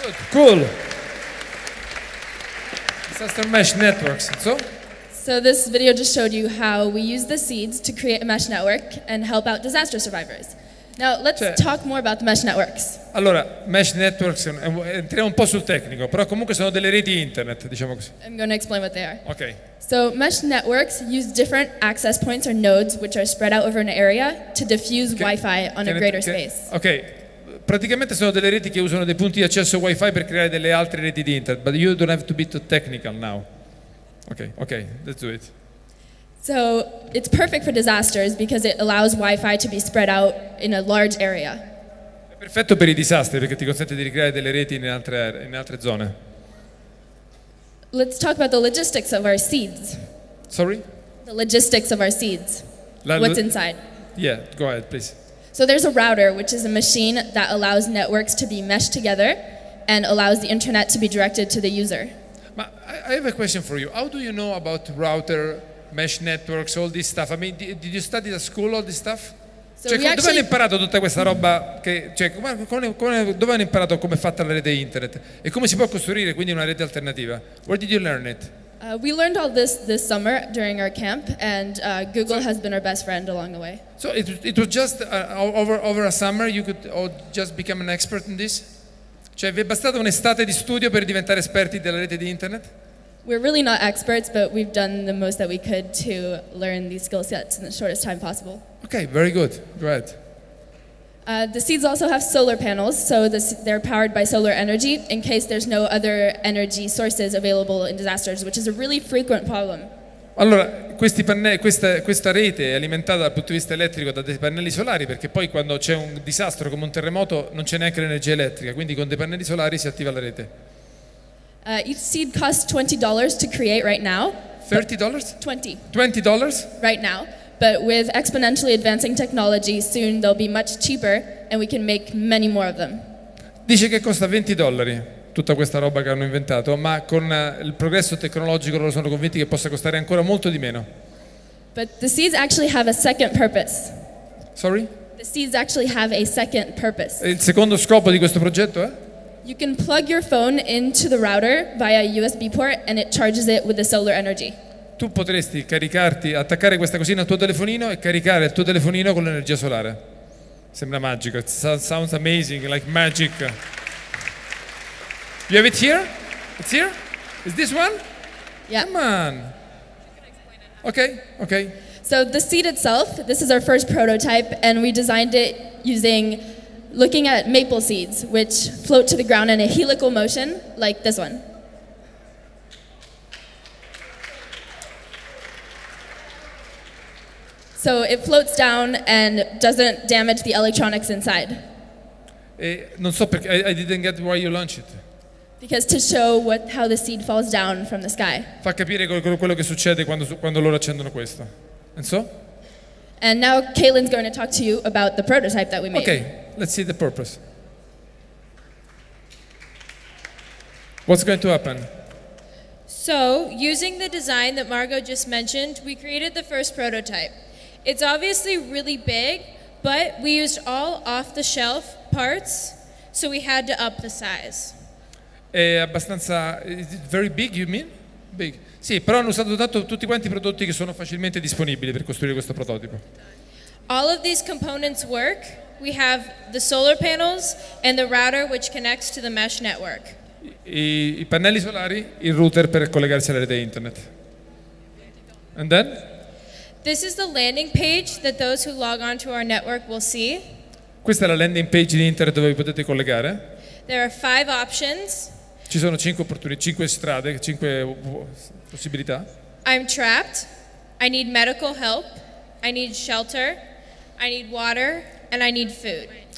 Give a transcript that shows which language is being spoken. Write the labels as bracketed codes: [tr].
[en] Cool. Disaster Mesh Networks. So? So this video just showed you how we use the seeds to create a mesh network and help out disaster survivors. Now let's talk more about the mesh networks. [it] Allora, mesh networks, entriamo un po' sul tecnico, però comunque sono delle reti internet, diciamo così. [en] I'm going to explain what they are. Okay. So mesh networks use different access points or nodes which are spread out over an area to diffuse Wi-Fi on a greater space. Okay. [it] Praticamente sono delle reti che usano dei punti di accesso Wi-Fi per creare delle altre reti di internet. [en] But you don't have to be too technical now. Okay, okay, let's do it. So, it's perfect for disasters because it allows Wi-Fi to be spread out in a large area. [it] È perfetto per i disastri perché ti consente di ricreare delle reti in altre zone. [en] Let's talk about the logistics of our seeds. Sorry? The logistics of our seeds. What's inside? Yeah, go ahead, please. So there's a router, which is a machine that allows networks to be meshed together and allows the internet to be directed to the user. Ma I have a question for you. How do you know about router, mesh networks, all this stuff? I mean, did you study at school all this stuff? So [it] cioè, [en] we actually, [it] dove hanno imparato tutta questa roba? Dove hanno imparato come è fatta la rete internet? E come si può costruire quindi una rete alternativa? [en] Where did you learn it? We learned all this summer during our camp, and Google has been our best friend along the way. So it was just over a summer you could just become an expert in this? [it] Cioè vi è bastata un'estate di studio per diventare esperti della rete di internet? [en] We're really not experts, but we've done the most that we could to learn these skill sets in the shortest time possible. Okay, very good. Great. The seeds also have solar panels, so they're powered by solar energy in case there's no other energy sources available in disasters, which is a really frequent problem. [it] Allora, questa rete è alimentata dal punto di vista elettrico da dei pannelli solari, perché poi quando c'è un disastro come un terremoto non c'è neanche l'energia elettrica, quindi con dei pannelli solari si attiva la rete. [en] Each seed costs $20 to create right now. $30? $20. Right now. But with exponentially advancing technology, soon they'll be much cheaper and we can make many more of them. [it] Dice che costa $20 tutta questa roba che hanno inventato, ma con il progresso tecnologico loro sono convinti che possa costare ancora molto di meno. [en] But the seeds actually have a second purpose. Sorry? The seeds actually have a second purpose. [it] Il secondo scopo di questo progetto è? [en] You can plug your phone into the router via USB port and it charges it with the solar energy. [it] Tu potresti caricarti, attaccare questa cosina al tuo telefonino e caricare il tuo telefonino con l'energia solare. Sembra magico. [en] Sounds amazing, like magic. You have it here? It's here? Is this one? Yeah. Come on. Okay, okay. So the seed itself, this is our first prototype and we designed it using looking at maple seeds which float to the ground in a helical motion like this one. So it floats down and doesn't damage the electronics inside. [it] Non so perché, [en] I didn't get why you launched it. Because to show what, how the seed falls down from the sky. [it] Fa capire quello che succede quando loro accendono questo. [en] And so? And now Caitlin's going to talk to you about the prototype that we made. Okay, let's see the purpose. What's going to happen? So, using the design that Margot just mentioned, we created the first prototype. It's obviously really big, but we used all off-the-shelf parts, so we had to up the size. [it] È abbastanza... [en] Is it very big, you mean? Big. [it] Sì, però hanno usato dato tutti quanti i prodotti che sono facilmente disponibili per costruire questo prototipo. [en] All of these components work. We have the solar panels and the router which connects to the mesh network. [it] I pannelli solari, il router per collegarsi alla rete internet. [en] And then? This is the landing page that those who log on to our network will see. [it] Questa è la landing page di internet dove vi potete collegare. [en] There are five options. [it] Ci sono cinque opportunità, cinque strade, cinque possibilità. [en] I'm trapped. I need medical help. I need shelter. I need water. And I need food.